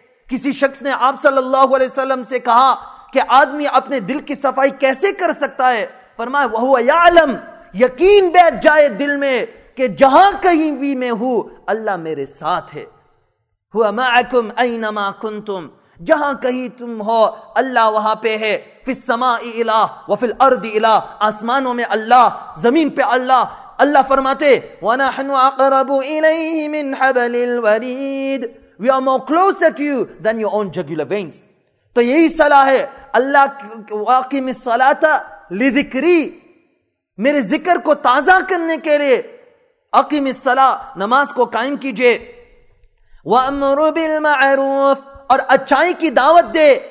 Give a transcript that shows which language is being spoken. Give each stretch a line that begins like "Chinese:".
Urdu: کسی شخص نے آپ صلی اللہ علیہ وسلم سے کہا کہ آدمی اپنے دل کی صفائی کیسے کر سکتا ہے، فرمایا
Arabic: وہو یعلم،
Urdu: یقین بیٹھ جائے دل میں کہ جہاں کہیں بھی میں ہوں اللہ میرے ساتھ ہے.
Arabic: ہوا معکم اینما کنتم،
Urdu: جہاں کہیں تم ہو اللہ وہاں پہ ہے.
Arabic: فی السماء الہ وفی الارض الہ،
Urdu: آسمانوں میں اللہ، زمین پہ اللہ. اللہ فرماتے
Arabic: وَنَحْنُ أَقْرَبُ إِلَيْهِ مِنْ حَبَلِ الْوَرِيدِ،
English: we are more closer to you than your own jugular veins.
Urdu: تو یہی صلاح ہے اللہ،
Arabic: واقم الصلاة لذکری،
Urdu: میرے ذکر کو تازہ کرنے کے لیے.
Arabic: اقیم الصلاة،
Urdu: نماز کو قائم کیجئے.
Arabic: وَأَمْرُ بِالْمَعْرُوفِ،
Urdu: اور اچھائی کی دعوت دے.